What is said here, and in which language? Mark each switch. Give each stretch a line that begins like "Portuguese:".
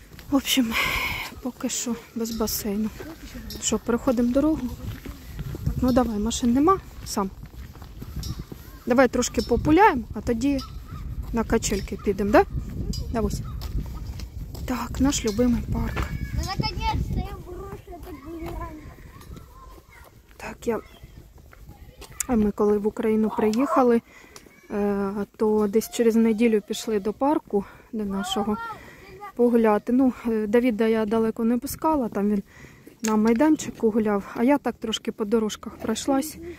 Russian: В общем,
Ukrainian: поки що без басейну. Що, переходимо дорогу? Так, ну давай, машин нема, сам. Давай трошки популяємо, а тоді на качельки підемо, да? Давай. Так, наш любимий парк.
Russian: Ну, наконец-то, я брошу этот бумеранг.
Ukrainian: Так, я... А ми коли в Україну приїхали, то десь через неділю пішли до парку, до нашого, погуляти. Ну, Давіда я далеко не пускала, там він на майданчику гуляв, а я так трошки по дорожках пройшлась.